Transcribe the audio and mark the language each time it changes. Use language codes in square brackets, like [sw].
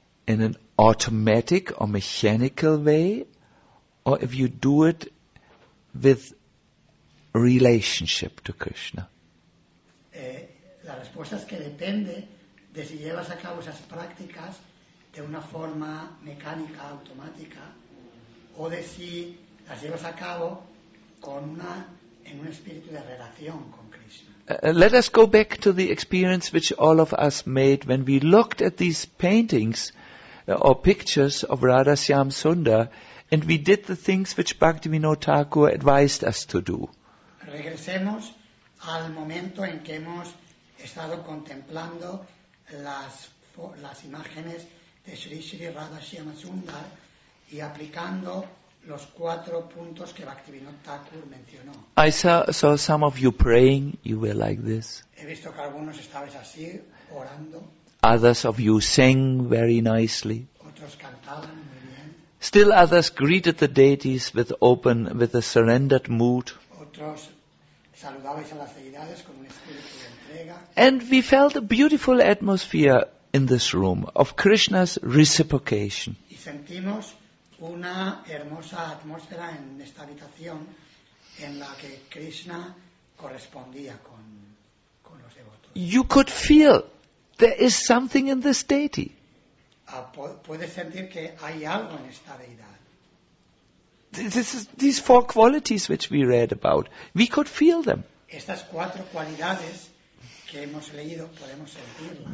[en] in an automatic or mechanical way, or if you do it with relationship to Krishna. [es] La respuesta es que depende de si llevas a cabo esas prácticas de una forma mecánica, automática, o de si las llevas a cabo con una, en un espíritu de relación con Krishna. [en] Let us go back to the experience which all of us made when we looked at these paintings or pictures of Radha Syam Sunda, and we did the things which Bhaktivinoda Thakur advised us to do. [es] Regresemos al momento en que hemos estado contemplando las imágenes de Sri Sri Radha Syam Sunda y aplicando los cuatro puntos que Bhaktivinoda Thakur mencionó. [en] I saw some of you praying, you were like this. [es] He visto que algunos estabais así, orando. [en] Others of you sang very nicely. [es] Otros cantaban muy bien. [en] Still others greeted the deities with a surrendered mood. [es] Otros saludabais a las deidades con un espíritu de entrega. [en] And we felt a beautiful atmosphere in this room of Krishna's reciprocation. [es] Y sentimos una hermosa atmósfera en esta habitación en la que Krishna correspondía con los devotos. [en] You could feel there is something in this deity. [es] Puedes sentir que hay algo en esta deidad. [en] This is these four qualities which we read about. We could feel them. [es] Estas cuatro cualidades que hemos leído podemos sentirlas.